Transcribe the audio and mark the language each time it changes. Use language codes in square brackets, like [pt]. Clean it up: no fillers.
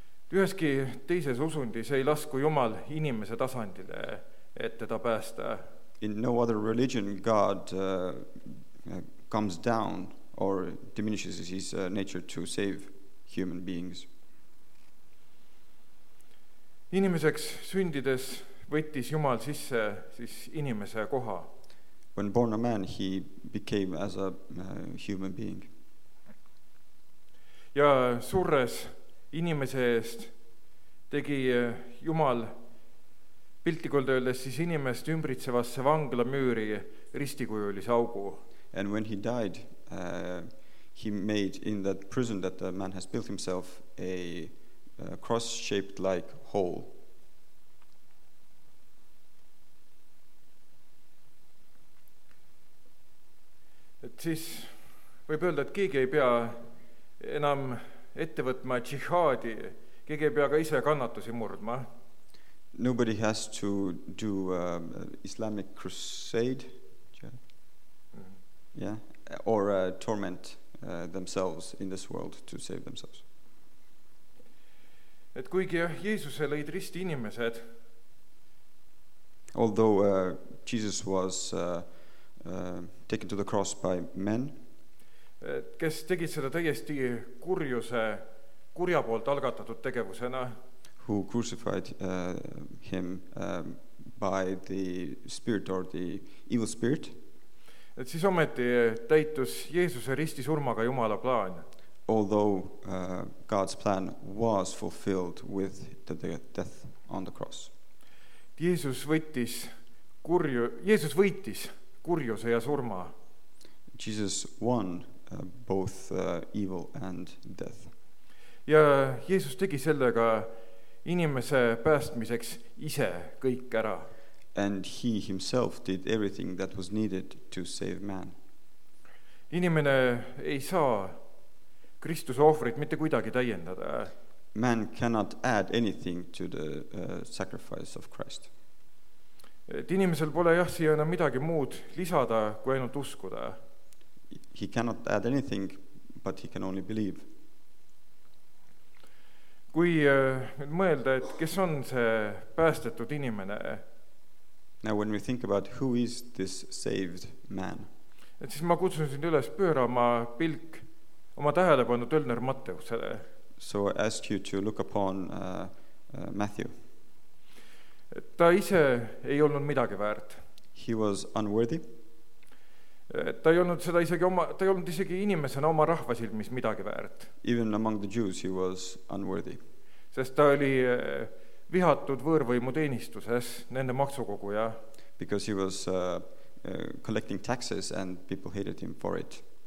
[et] Üheski teises usundis ei lasku Jumal inimese tasandile, et teda päästa. [en] In no other religion, God comes down or diminishes his nature to save human beings. [et] Inimeseks sündides võttis Jumal sisse siis inimese koha. [en] When born a man, he became as a human being. [et] Ja surres inimese eest tegi Jumal piltlikult öeldes siis inimest ümbritsevasse vangla müüri ristikujulise augu. [en] And when he died, he made in that prison that the man has built himself a cross-shaped like hole. [et] Et siis võib öelda, et keegi ei pea enam ettevõtma jihadi, keegi ei pea ka ise kannatusi murdma. [en] Nobody has to do Islamic crusade, yeah, or torment themselves in this world to save themselves. [et] Et kuigi Jeesuse lõid risti inimesed. [en] Although Jesus was taken to the cross by men, [et] kes tegid seda täiesti kurjuse, kurja poolt algatatud tegevusena, [en] who crucified him by the spirit or the evil spirit. [et] Et siis ometi täitus Jeesuse risti surmaga Jumala plaan. [en] Although God's plan was fulfilled with the death on the cross. [et] Jeesus võitis kurjuse ja surma. [en] Jesus won both evil and death. [et] Ja Jeesus tegi sellega inimese päästmiseks ise kõik ära. [en] And he himself did everything that was needed to save man. [et] Inimene ei saa Kristuse ohvrit mitte kuidagi täiendada. [en] Man cannot add anything to the sacrifice of Christ. [et] Et inimesel pole jah siia enam midagi muud lisada kui ainult uskuda. [en] He cannot add anything, but he can only believe. [et] Kui mõelda, et kes on see päästetud inimene. [en] Now when we think about who is this saved man. [et] Et siis ma kutsun sind üles pöörama pilk oma tähelepanu Tölner Matteusele. [en] So I ask you to look upon Matthew. [et] Et ta ise ei olnud midagi väärt. [en] He was unworthy. [et] Ta ei olnud seda isegi oma, ta ei olnud isegi inimesena oma rahvasilmis midagi väärt. [en] Even among the Jews he was unworthy. [et] Sest ta oli vihatud võõrvõimu teenistuses nende maksukoguja. [en] Because he was collecting taxes and people hated him for it.